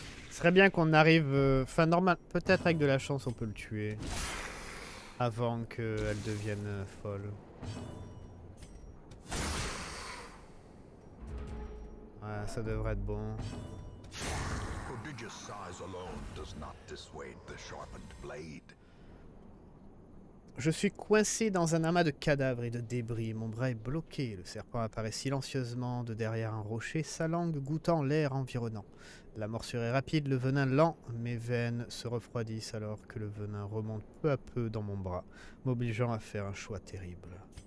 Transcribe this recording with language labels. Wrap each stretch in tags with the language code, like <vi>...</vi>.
<fr>Ce serait bien qu'on arrive... Enfin, normal, peut-être avec de la chance on peut le tuer. Avant qu'elle devienne folle. Ouais, ça devrait être bon.</fr> <en>Prodigious size alone does not dissuade the sharpened blade.</en> <fr>Je suis coincé dans un amas de cadavres et de débris. Mon bras est bloqué. Le serpent apparaît silencieusement de derrière un rocher, sa langue goûtant l'air environnant. La morsure est rapide, le venin lent. Mes veines se refroidissent alors que le venin remonte peu à peu dans mon bras, m'obligeant à faire un choix terrible.</fr>